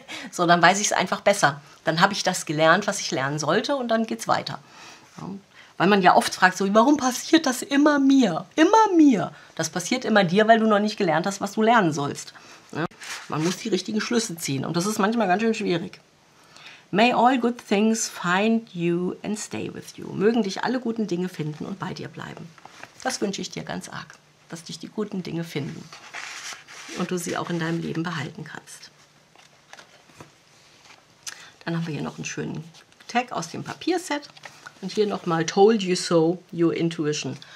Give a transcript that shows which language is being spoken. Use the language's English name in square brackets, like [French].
[German] So, dann weiß ich es einfach besser. Dann habe ich das gelernt, was ich lernen sollte und dann geht es weiter. Ja. Weil man ja oft fragt, so, warum passiert das immer mir? Immer mir. Das passiert immer dir, weil du noch nicht gelernt hast, was du lernen sollst. Ja? Man muss die richtigen Schlüsse ziehen. Und das ist manchmal ganz schön schwierig. [English] May all good things find you and stay with you. [German] Mögen dich alle guten Dinge finden und bei dir bleiben. Das wünsche ich dir ganz arg, dass dich die guten Dinge finden und du sie auch in deinem Leben behalten kannst. Dann haben wir hier noch einen schönen Tag aus dem Papierset. Und hier nochmal, [English] told you so, your intuition.